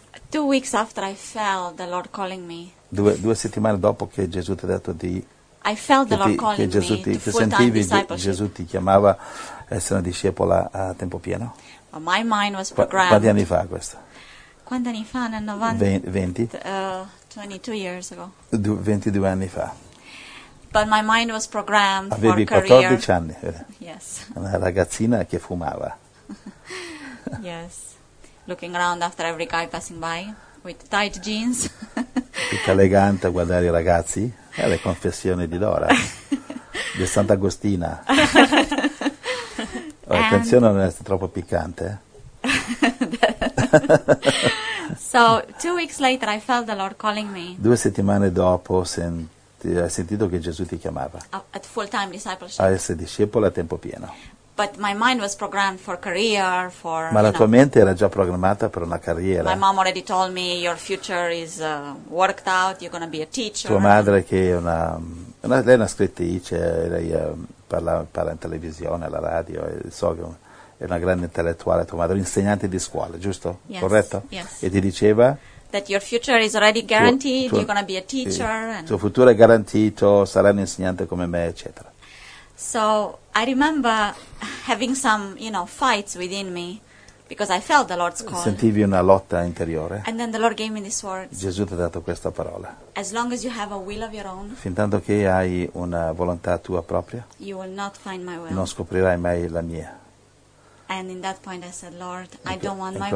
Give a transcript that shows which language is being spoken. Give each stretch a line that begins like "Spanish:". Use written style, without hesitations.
English: 2 weeks after I felt the Lord calling me.
Italian: Due settimane dopo che Gesù ti ha detto di.
English: I felt the Lord calling me.
Italian: Che Gesù ti sentivi, Gesù ti chiamava a essere una discepola a tempo pieno.
English: But my mind was programmed.
Italian: Quanti anni fa questo? Quanti anni fa? Nel
English: 22 years ago.
Italian: 22 anni fa.
English: But my mind was programmed.
Italian: Avevi
English: for 14 career.
Italian: Anni.
English: Yes.
Italian: Una ragazzina che fumava.
English: Yes. Looking around after every guy passing by with tight jeans.
Italian: Tutta elegante a guardare i ragazzi. È le confessioni di Dora. Di Sant'Agostina. Oh, attenzione, non è troppo piccante.
English: So, 2 weeks later I felt the Lord calling me.
Italian: Due settimane dopo hai sentito che Gesù ti chiamava.
English: At full time discipleship.
Italian: A essere discepolo a tempo pieno.
English: But my mind was programmed for career, for.
Italian: Ma la tua mente era già programmata per una carriera.
English: My mom already told me your future is worked out. You're gonna be a teacher.
Italian: Tua madre che è una lei è una scrittrice, lei parla in televisione, alla radio, so che è una grande intellettuale. Tua madre è un'insegnante di scuola, giusto?
English: Yes,
Italian: corretto.
English: Yes.
Italian: E ti diceva.
English: That your future is already guaranteed. You're gonna be a teacher.
Italian: Sì. And tuo futuro è garantito. Sarai un insegnante come me, eccetera.
English: So I remember having some, you know, fights within me because I felt the Lord's call.
Italian: Sentivi una lotta interiore.
English: And then the Lord gave me these words.
Italian: Gesù ti ha dato questa parola.
English: As long as you have a will of your own.
Italian: Fin tanto che hai una volontà tua propria.
English: You will not find my will.
Italian: Non scoprirai mai la mia.
English: And in that point I said, Lord, I don't want my will.